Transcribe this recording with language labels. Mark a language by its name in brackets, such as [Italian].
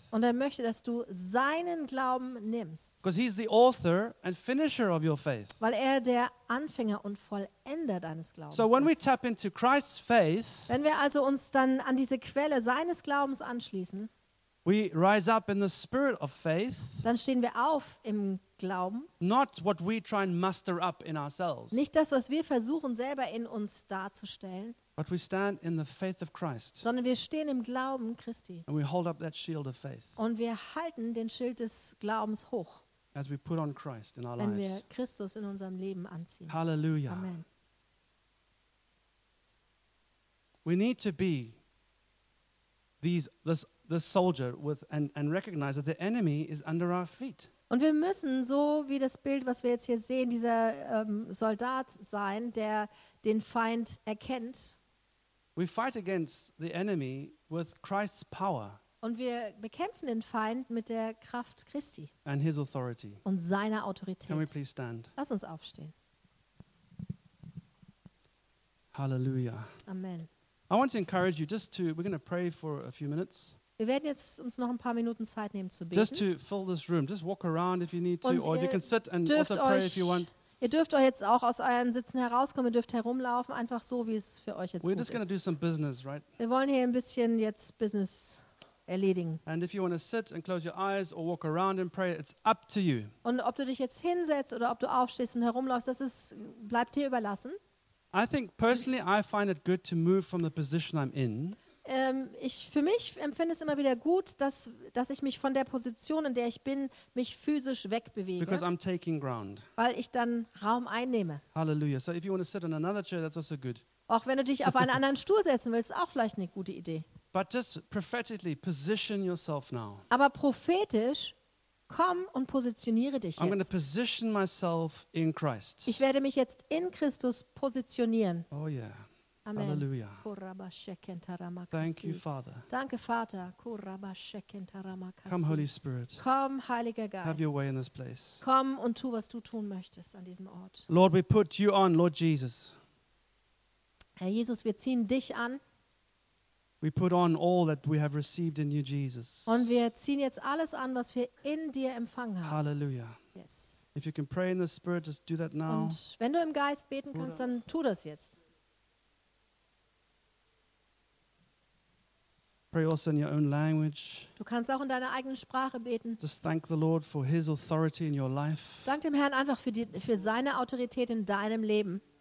[German] Und er möchte, dass du seinen Glauben nimmst. [English] Because he's the author and finisher of your faith. [German] Weil er der Anfänger und Vollender deines Glaubens ist. [English] So when [German] ist. [English] We tap into Christ's faith, [German] wenn wir also uns dann an diese Quelle seines Glaubens anschließen, [English] we rise up in the spirit of faith, [German] dann stehen wir auf im Glauben. [English] Not what we try and muster up in ourselves. [German] Nicht das, was wir versuchen, selber in uns darzustellen. [English] But we stand in the faith of Christ. [German] Sondern wir stehen im Glauben Christi. [English] And we hold up that shield of faith. [German] Und wir halten den Schild des Glaubens hoch. [English] As we put on Christ in our lives. [German] Wenn wir Christus in unserem Leben anziehen. Hallelujah. Amen. [English] We need to be this soldier with and recognize that the enemy is under our feet. [German] Und wir müssen, so wie das Bild, was wir jetzt hier sehen, dieser Soldat sein, der den Feind erkennt. [English] We fight against the enemy with Christ's power. [German] Und wir bekämpfen den Feind mit der Kraft Christi. [English] And his authority. [German] Und seiner Autorität. [English] Can we please stand? [German] Lass uns aufstehen. Hallelujah. Amen. [English] I want to encourage you just to, we're going to pray for a few minutes. [German] Wir werden jetzt uns noch ein paar Minuten Zeit nehmen zu beten. [English] Just to fill this room. Just walk around if you need to, or you can sit and also pray if you want. [German] Ihr dürft euch jetzt auch aus euren Sitzen herauskommen. Ihr dürft herumlaufen, einfach so, wie es für euch jetzt gut ist. [English] We're just going to do some business, right? [German] Wir wollen hier ein bisschen jetzt Business erledigen. [English] And if you want to sit and close your eyes or walk around and pray, it's up to you. [German] Und ob du dich jetzt hinsetzt oder ob du aufstehst und herumläufst, das ist, bleibt dir überlassen. [English] I think personally, I find it good to move from the position I'm in. [German] Für mich empfinde es immer wieder gut, dass ich mich von der Position, in der ich bin, mich physisch wegbewege. [English] Because I'm taking ground. [German] Weil ich dann Raum einnehme. Hallelujah. [English] So if you want to sit on another chair, that's also good. [German] Auch wenn du dich auf einen anderen Stuhl setzen willst, ist auch vielleicht eine gute Idee. [English] But just prophetically position yourself now. [German] Aber prophetisch, komm und positioniere dich jetzt. [English] I'm going to position myself in Christ. [German] Ich werde mich jetzt in Christus positionieren. [English] Oh yeah. Amen. Hallelujah. Thank you, Father. [German] Danke, Vater. [English] Come, Holy Spirit. [German] Komm, Heiliger Geist. [English] Have your way in this place. [German] Komm und tu, was du tun möchtest an diesem Ort. [English] Lord, we put you on, Lord Jesus. [German] Herr Jesus, wir ziehen dich an. [English] We put on all that we have received in you, Jesus. [German] Und wir ziehen jetzt alles an, was wir in dir empfangen haben. Hallelujah. [English] Yes. If you can pray in the Spirit, just do that now. [German] Und wenn du im Geist beten kannst, dann tu das jetzt. [English] Pray also in your own language. [German] Du kannst auch in deiner eigenen Sprache beten. [English] Just thank the Lord for his authority in your life. [German] Dank dem Herrn einfach für seine Autorität in deinem Leben.